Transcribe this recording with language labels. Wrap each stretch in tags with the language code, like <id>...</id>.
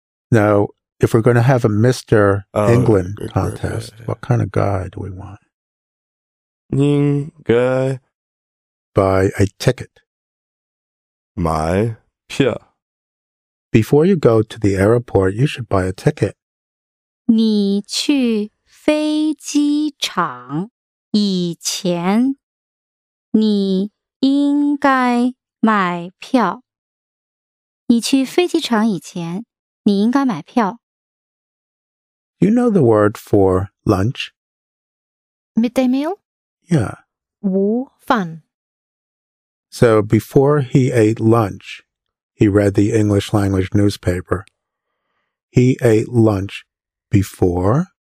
<en>Now, if we're going to have a Mr. England contest, what kind of guy do we want?</en> <zh>应该</zh> <en>Buy a ticket.</en> <zh>买票</zh> <en>Before you go to the airport, you should buy a ticket.</en> <zh>你去飞机场以前你应该买票。你去飞机场以前你应该买票。</zh> <en>You know the word for lunch? Midday meal? Yeah.</en> <zh>午饭。</zh> <en>So before he ate lunch, he read the English language newspaper. He ate lunch before?</en>